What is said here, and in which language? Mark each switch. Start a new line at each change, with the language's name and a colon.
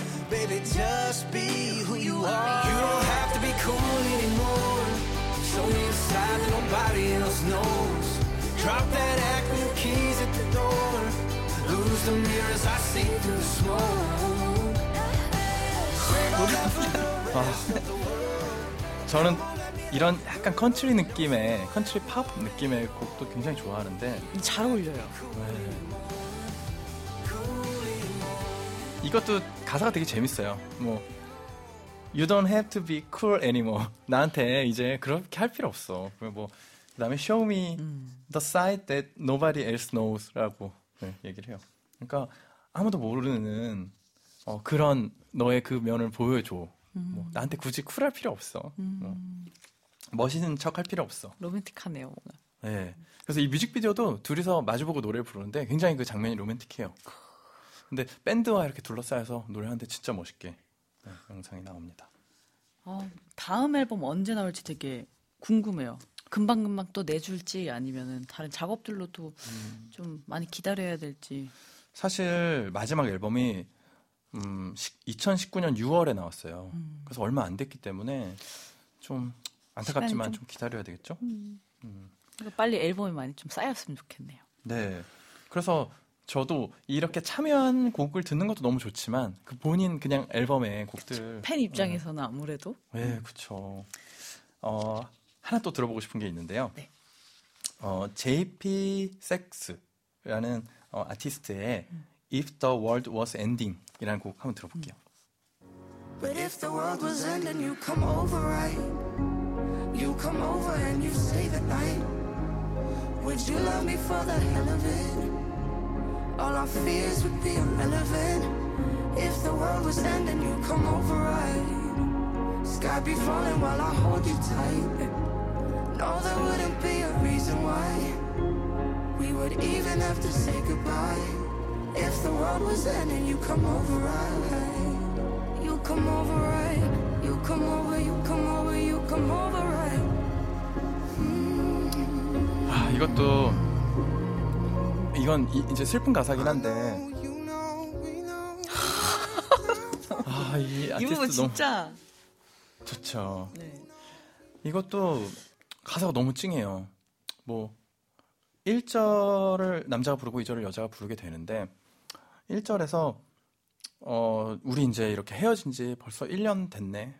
English: Baby, just be who you are. You don't have to be cool anymore. Show me a side that nobody else knows. Drop that act with your keys at the door. Lose the mirrors I see through the smoke. Crave out for the
Korean: 이런 약간 컨트리 느낌의 컨트리 팝 느낌의 곡도 굉장히 좋아하는데 잘 어울려요. 이것도 가사가 되게 재밌어요.
English: 뭐 You don't have to be cool anymore.
Korean: 나한테 이제 그렇게 할 필요 없어. 뭐 그다음에
English: Show me the side that nobody else knows
Korean: 라고 네, 얘기를 해요. 그러니까 아무도 모르는 그런 너의 그 면을 보여줘. 뭐 나한테 굳이 쿨할 필요 없어. 뭐. 멋있는 척 할 필요 없어. 로맨틱하네요, 뭔가. 네. 그래서 이 뮤직비디오도 둘이서 마주보고 노래를 부르는데 굉장히 그 장면이 로맨틱해요. 근데 밴드와 이렇게 둘러싸여서 노래하는데 진짜 멋있게 네, 영상이 나옵니다. 다음 앨범 언제 나올지 되게 궁금해요. 금방금방 또 내줄지 아니면은 다른 작업들로도 좀 많이 기다려야 될지. 사실 마지막 앨범이 2019년 6월에 나왔어요. 그래서 얼마 안 됐기 때문에 좀 안타깝지만 좀 기다려야 되겠죠. 그러니까 빨리 앨범이 많이 좀 쌓였으면 좋겠네요. 네, 그래서 저도 이렇게 참여한 곡을 듣는 것도 너무 좋지만 그 본인 그냥 앨범의 곡들 그쵸. 팬 입장에서는 아무래도 네, 그렇죠. 하나 또 들어보고 싶은 게 있는데요. 네. JP Sax라는 아티스트의 If the World Was Ending이라는 곡 한번 들어볼게요.
English: But if the world was ending, you come over right. You come over and you stay the night. Would you love me for the hell of it? All our fears would be irrelevant. If the world was ending, you come over right. Sky be falling while I hold you tight. No, there wouldn't be a reason why we would even have to say goodbye. If the world was ending, you come over right. You come over right. You come over, you come over, you come over.
Korean: 이것도 이건 이제 슬픈 가사긴 한데 이 아티스트 이거 진짜 좋죠. 이것도 가사가 너무 찡해요. 뭐 1절을 남자가 부르고 2절을 여자가 부르게 되는데 1절에서 우리 이제 이렇게 헤어진 지 벌써 1년 됐네.